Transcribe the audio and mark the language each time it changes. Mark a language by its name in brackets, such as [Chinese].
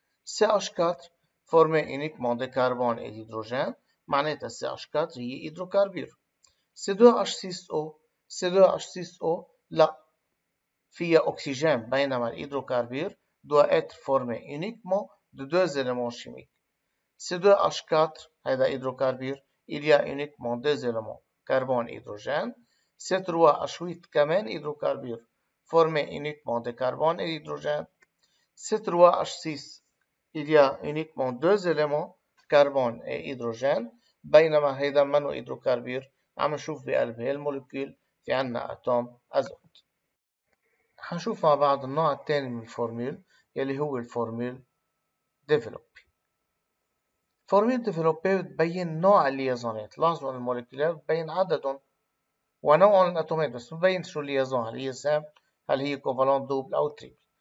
[Arabic] CH4 فورمي انيكمون دي كربون اي هيدروجين، معناتها CH4 هي هيدروكاربور. C2H6O، C2H6O لا فيها اكسجين، بينما الهيدروكاربور دو اتر فورمي انيكمون دو دو زيليمون شيميك. [French] C2H4 [Arabic] هيدا هيدروكاربور [French] il y a uniquement deux éléments carbone et hydrogène. C3H8 [Arabic] كمان هيدروكاربور [French] formé uniquement de carbone et hydrogène. C3H6 il y a uniquement deux éléments carbone et hydrogène. [Arabic] بينما هيدا منو هيدروكاربور، عم نشوف بقلب هالمولكيول في عنا اتوم ازوت. حنشوف مع بعض النوع الثاني من الفورميل يلي هو الفورميل ديفلوب. فورميل ديفلوبي بتبين نوع الليزونات، لاحظوا ان الموليكيولات بتبين عددهم ونوع الاتومات، بس ما بتبين شو الليزون، هل هي سام، هل هي كوفالون دوبل او تريبل.